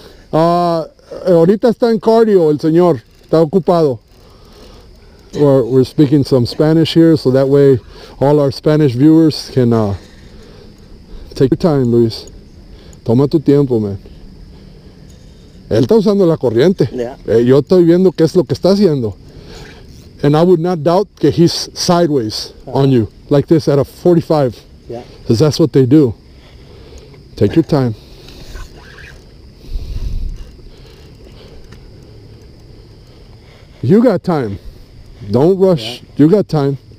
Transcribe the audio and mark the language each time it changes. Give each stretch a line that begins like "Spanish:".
Spanish: Ahorita está en cardio el señor, está ocupado.
English: We're speaking some Spanish here, so that way all our Spanish viewers can take your time, Luis.
Spanish: Toma tu tiempo, man. Él está usando la corriente.
English: Yeah.
Spanish: Yo estoy viendo qué es lo que está haciendo.
English: And I would not doubt that he's sideways on you. Like this at a 45. Yeah. Because that's what they do. Take your time. You got time. Don't rush. Yeah. You got time.